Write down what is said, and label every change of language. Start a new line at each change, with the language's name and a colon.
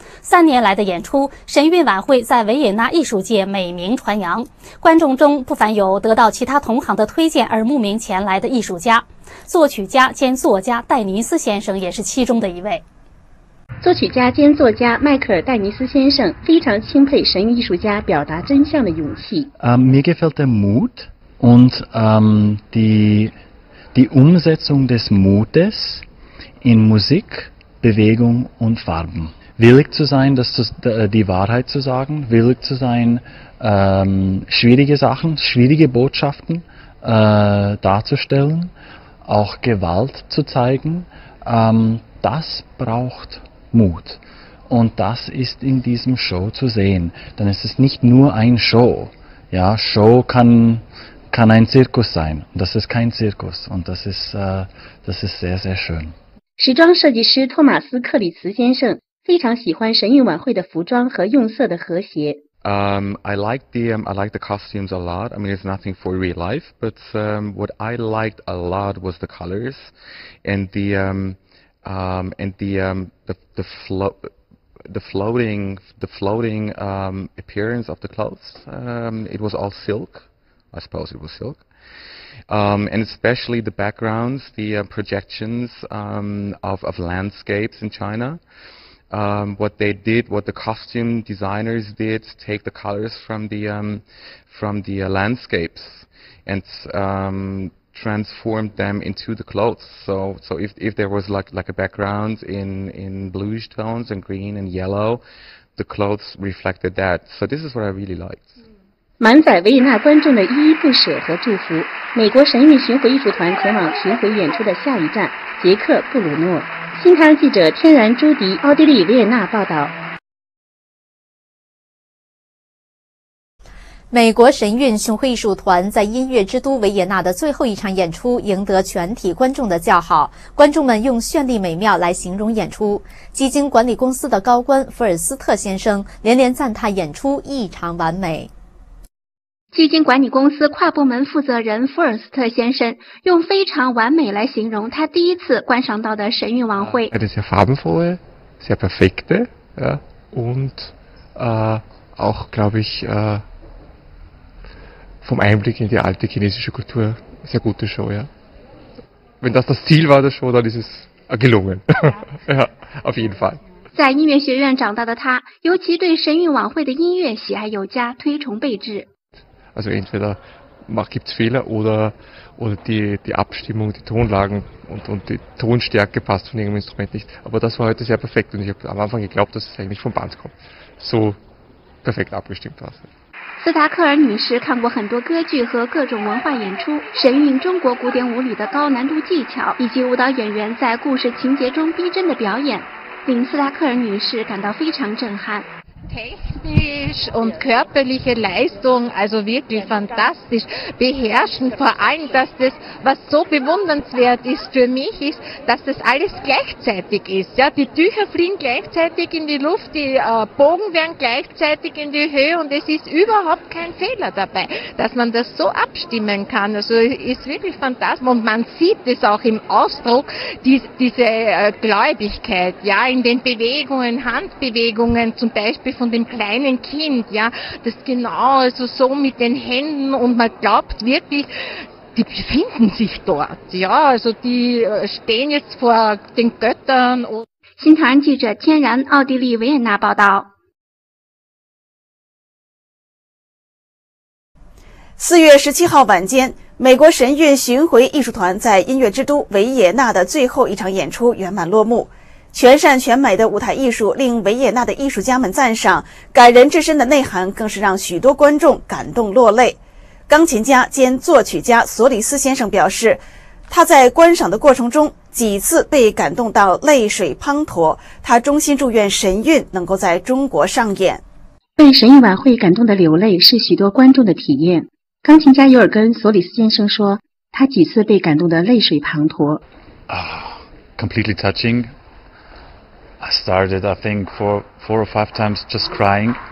Chinese: 三年来的演出，神韵晚会在维也纳艺术界美名传扬，观众中不凡有得到其他同行的推荐而慕名前来的艺术家，作曲家兼作家戴尼斯先生也是其中的一位。作曲家兼作家迈克尔·戴尼斯先生非常钦佩神韵艺术家表达真相的勇气。
German: Mir gefällt der Mut und die Umsetzung des Mutes in Musik, Bewegung und Farben. Willig zu sein, die Wahrheit zu sagen, willig zu sein, schwierige Sachen, schwierige Botschaften darzustellen, auch Gewalt zu zeigen, das braucht Mut. Und das ist in diesem Show zu sehen. Denn es ist nicht nur ein Show. Ja, Show kann ein Zirkus sein. Und das ist kein Zirkus. Und das ist sehr, sehr schön.
Chinese: 时装设计师托马斯·克里茨先生非常喜欢神韵晚会的服装和用色的和谐。
English: I like the costumes a lot. I mean, it's nothing for real life, but what I liked a lot was the colors and the floating appearance of the clothes. It was all silk. I suppose it was silk. And especially the backgrounds, the projections of landscapes in China. What they did, what the costume designers did, take the colors from the landscapes and transformed them into the clothes. So if there was like a background in bluish tones and green and yellow, the clothes reflected that. So this is what I really liked.
Chinese: 满载维也纳观众的依依不舍和祝福，美国神韵巡回艺术团前往巡回演出的下一站捷克布鲁诺。新唐记者天然朱迪，奥地利维也纳报道。美国神韵巡回艺术团在音乐之都维也纳的最后一场演出赢得全体观众的叫好，观众们用绚丽美妙来形容演出。基金管理公司的高官福尔斯特先生连连赞叹演出异常完美。基金管理公司跨部门负责人福尔斯特先生用非常完美来形容他第一次观赏到的神韵晚会。
German: Es ist sehr farbenvoll, sehr perfekt, ja, und auch glaube ich, vom Einblick in die alte chinesische Kultur, sehr gute Show, ja. Wenn das das Ziel war, der Show, dann ist es gelungen. Ja, auf jeden Fall.
Chinese: 在音乐学院长大的他，尤其对神韵晚会的音乐喜爱有加，推崇备至。
German: Also entweder gibt es Fehler oder die Abstimmung, die Tonlagen und die Tonstärke passt von irgendeinem Instrument nicht. Aber das war heute sehr perfekt und ich habe am Anfang geglaubt, dass es eigentlich vom Band kommt. So perfekt abgestimmt war es.
Chinese: 斯达克尔女士看过很多歌剧和各种文化演出，神韵中国古典舞里的高难度技巧以及舞蹈演员在故事情节中逼真的表演，令斯达克尔女士感到非常震撼。
German: Technisch und körperliche Leistung, also wirklich fantastisch. Beherrschen vor allem, dass das, was so bewundernswert ist für mich, ist, dass das alles gleichzeitig ist. Ja, die Tücher fliegen gleichzeitig in die Luft, die Bogen werden gleichzeitig in die Höhe und es ist überhaupt kein Fehler dabei, dass man das so abstimmen kann. Also es ist wirklich fantastisch und man sieht es auch im Ausdruck, diese Gläubigkeit, ja, in den Bewegungen, Handbewegungen zum Beispiel, von dem kleinen Kind, ja, das genau also so mit den Händen und man glaubt wirklich, die befinden sich dort, ja, also die stehen jetzt vor den Göttern.
Chinese: 新唐人记者天然，奥地利维也纳报道。 4月17号晚间，美国神韵巡回艺术团在音乐之都维也纳的最后一场演出圆满落幕。全善全美的舞台艺术令维也纳的艺术家们赞赏，感人至深的内涵更是让许多观众感动落泪。钢琴家兼作曲家索里斯先生表示，他在观赏的过程中几次被感动到泪水滂沱，他衷心祝愿神韵能够在中国上演。被神韵晚会感动的流泪是许多观众的体验。钢琴家尤尔根·索里斯先生说，他几次被感动的泪水滂沱。
English: Completely touching. I started, I think, four or five times just crying.